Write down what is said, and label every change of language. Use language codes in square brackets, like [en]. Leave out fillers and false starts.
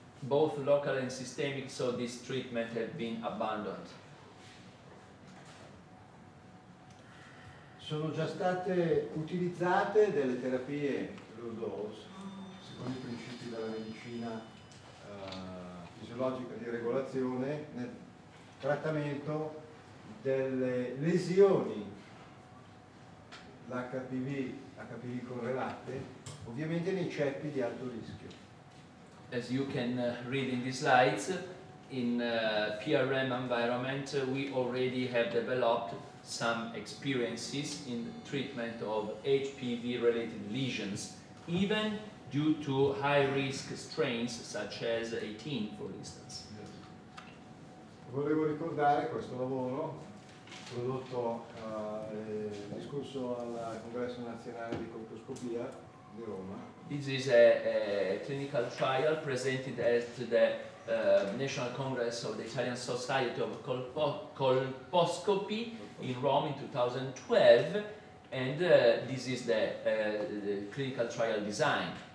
[en] Both local and systemic, so this treatment has been abandoned. [it] Sono già state utilizzate delle terapie low dose, secondo i principi della medicina fisiologica di regolazione, nel trattamento delle lesioni l'HPV. HPV correlate, ovviamente nei ceppi di alto rischio. [en] As you can read in these slides, in PRM environment we already have developed some experiences in treatment of HPV related lesions, even due to high risk strains such as 18, for instance. Yes. [it] Volevo ricordare questo lavoro prodotto discorso al congresso nazionale di colposcopia di Roma. [en] This is a clinical trial presented at the National Congress of the Italian Society of Colposcopy in Rome in 2012, and this is the clinical trial design.